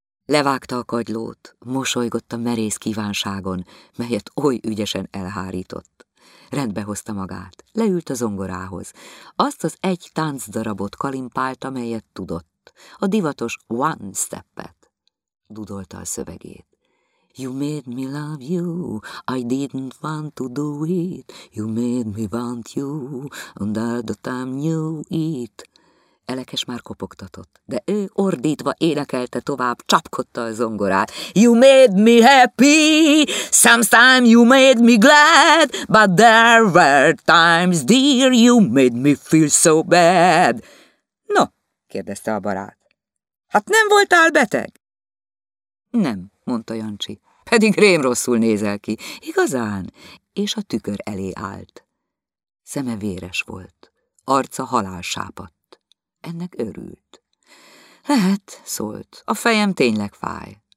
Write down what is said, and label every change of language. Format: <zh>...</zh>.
<hu>Levágta a kagylót, mosolygott a merész kívánságon, melyet oly ügyesen elhárított. Rendbe hozta magát, leült a zongorához, azt az egy táncdarabot kalimpált, amelyet tudott, a divatos one step-et. Dudolta a szövegét.</hu> <en>You made me love you, I didn't want to do it, you made me want you, and all the time knew it.</en> <hu>Elekes már kopogtatott, de ő ordítva énekelte tovább, csapkodta a zongorát.</hu> <en>You made me happy, sometimes you made me glad, but there were times, dear, you made me feel so bad.</en> <hu>No, kérdezte a barát. Hát nem voltál beteg? Nem, mondta Jancsi, pedig rém rosszul nézel ki. Igazán, és a tükör elé állt. Szeme véres volt, arca halálsápadt. Ennek örült. Lehet, szólt, a fejem tényleg fáj.</hu>